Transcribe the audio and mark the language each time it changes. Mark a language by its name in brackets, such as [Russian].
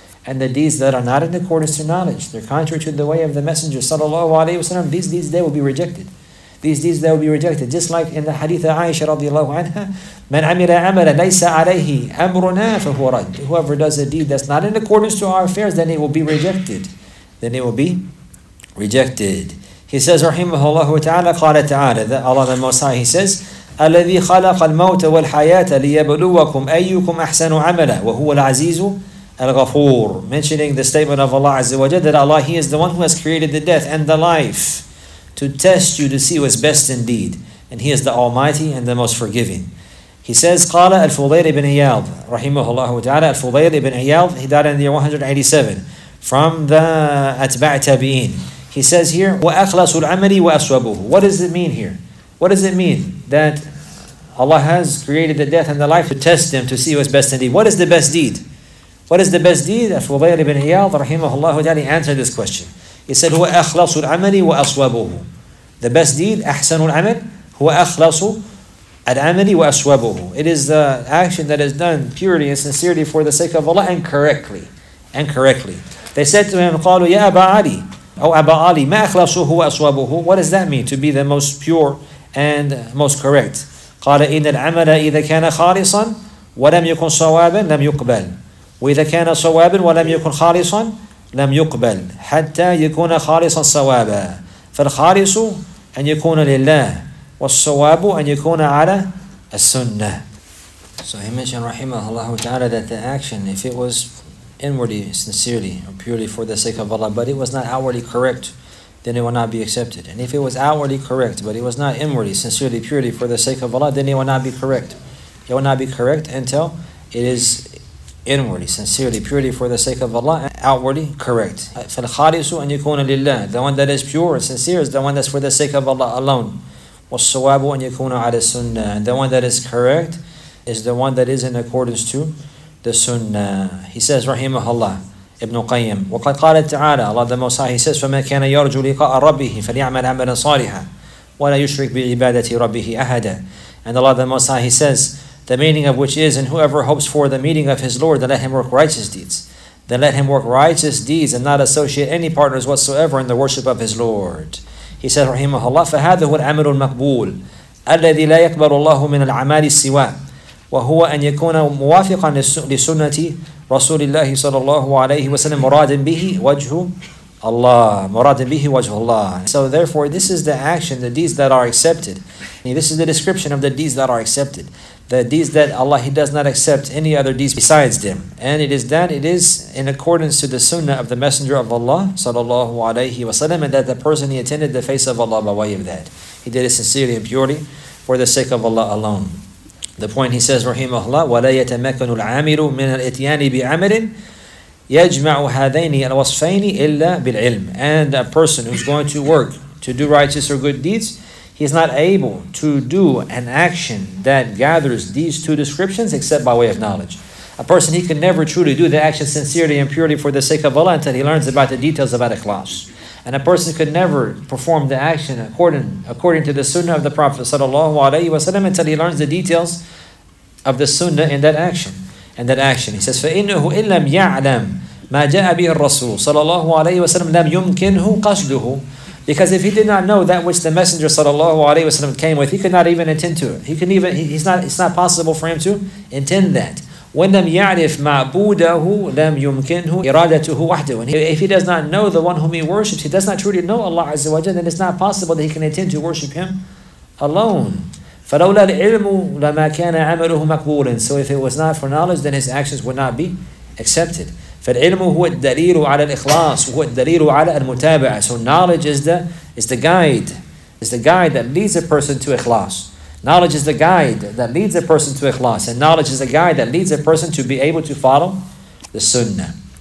[English] And the deeds that are not in accordance to knowledge, they're contrary to the way of the Messenger sallallahu alayhi wa sallam, these deeds, they will be rejected. These deeds, they will be rejected. Just like in the hadith of Aisha radiallahu anha, [Arabic] من عمل عملا ليس عليه أمرنا فهو رد. [English] Whoever does a deed that's not in accordance to our affairs, then it will be rejected. Then it will be rejected. He says, [Arabic] رحمه الله تعالى قال تعالى, [English] that Allah the Most High, he says, [Arabic] الذي خلق الموت والحياة ليبلوكم أيكم أحسن عملا وهو العزيز الغفور. [English] Mentioning the statement of Allah Azza wa Jalla, that Allah, He is the one who has created the death and the life to test you to see what's best indeed. And He is the Almighty and the Most Forgiving. He says, [Arabic] قال الفضيل بن عياض رحمه الله تعالى. [English] الفضيل بن عياض, he died in the year 187 from the أتباع تابعين. He says here, [Arabic] وأخلص العمل وأصوبه. [English] What does it mean here? What does it mean that Allah has created the death and the life to test them to see what's best indeed? What is the best deed? What is the best deed? [Arabic] الفضيل بن عياض رحمه الله تعالى [English] answered this question. He said, [Arabic] وأخلص العمل وأصوبه. [English] The best deed, [Arabic] أحسن العمل, هو أخلص العمل وأصوبه. [English] It is the action that is done purely and sincerely for the sake of Allah and correctly. And correctly. They said to him, [Arabic] قالوا يا أبا علي, أو أبا علي, ما أخلصه وأصوبه. [English] What does that mean? To be the most pure and most correct. [Arabic] قال إن العمل إذا كان خالصا ولم يكن صوابا لم يقبل. وإذا كان صوابا ولم يكن خالصا لم يقبل حتى يكون خالصا صوابا. فالخالص أن يكون لله والصواب أن يكون على السنة. [English] So he mentioned رحمه الله تعالى that the action, if it was inwardly, sincerely, or purely for the sake of Allah, but it was not outwardly correct, then it will not be accepted. And if it was outwardly correct, but it was not inwardly, sincerely, purely for the sake of Allah, then it will not be correct. It will not be correct until it is inwardly, sincerely, purely for the sake of Allah, and outwardly correct. [Arabic] فَالْخَالِصُ أَنْ يَكُونَ لِلَّهِ. [English] The one that is pure and sincere is the one that's for the sake of Allah alone. [Arabic] وَالصَّوَابُ أَنْ يَكُونَ عَلَى السُنَّةِ. [English] And the one that is correct is the one that is in accordance to the sunnah. He says, [Arabic] رحمه الله ابن قيم, وقد قال تعالى, [English] Allah the Most High, he says, [Arabic] فَمَنْ كَانَ يَرْجُ لِقَاءَ رَبِّهِ فَلْيَعْمَلْ عَمَلًا صَالِحًا وَلَا يُشْرِكْ بِعِبَادَةِ رَبِّهِ أَحَدًا. [English] And Allah the Most High, he says, the meaning of which is, and whoever hopes for the meeting of his Lord, then let him work righteous deeds. Then let him work righteous deeds and not associate any partners whatsoever in the worship of his Lord. [Arabic] He said, Rahimahullah, فَهَذَا هُوَ الْعَمَلُ الْمَقْبُولُ الَّذِي لَا يَقْبَلُ اللَّهُ مِنَ الْعَمَالِ السِّوَى وَهُوَ أَنْ يَكُونَ مُوَافِقًا لِسُنَّةِ رَسُولِ اللَّهِ صَلَى اللَّهُ عَلَيْهِ وَسَلَّمَ مُرَادٍ بِهِ وَجْهُ اللَّهِ مُرَادٍ بِهِ وَجْهُ اللَّهِ. [English] So therefore, this is the action, the deeds that are accepted. This is the description of the deeds that are accepted. The deeds that Allah, He does not accept any other deeds besides them. And it is that it is in accordance to the sunnah of the Messenger of Allah, sallallahu alayhi wa sallam, and that the person, he attended the face of Allah by way of that. He did it sincerely and purely for the sake of Allah alone. The point he says, [Arabic] rahimahullah, وَلَا يَتَمَكَنُ الْعَامِرُ مِنَ الْإِتْيَانِ بِعَمَلٍ يَجْمَعُ هَذَيْنِ الْوَصْفَيْنِ إِلَّا بِالْعِلْمِ. [English] And a person who's going to work to do righteous or good deeds, he is not able to do an action that gathers these two descriptions except by way of knowledge. A person, he can never truly do the action sincerely and purely for the sake of Allah until he learns about the details about ikhlas. And a person could never perform the action according to the sunnah of the Prophet sallallahu alaihi wasallam until he learns the details of the sunnah in that action. And that action, he says, [Arabic] فَإِنَّهُ إِن لَمْ يَعْلَمْ مَا جَاءَ بِهِ الرَّسُولُ sallallahu alaihi wasallam لَمْ يُمْكِنْهُ قَصْدُهُ. [English] Because if he did not know that which the Messenger sallallahu alaihi wasallam came with, he could not even intend to it. It's not possible for him to intend that. [Arabic] وَلَمْ يَعْرِفْ مَعْبُودَهُ لَمْ يُمْكِنْهُ إِرَادَتُهُ وَحْدَهُ. [English] If he does not know the one whom he worships, he does not truly know Allah azza wa jalla, then it's not possible that he can intend to worship him alone. [Arabic] فَلَوْلَا الْعِلْمُ لَمَا كَانَ عَمَلُهُ مَقْبُولًا. [English] So if it was not for knowledge, then his actions would not be accepted. [Arabic] فالعلم هو الدليل على الإخلاص هو الدليل على المتابعة. [English] So knowledge is the guide that leads a person to ikhlas. Knowledge is the guide that leads a person to ikhlas, and knowledge is the guide that leads a person to be able to follow the sunnah.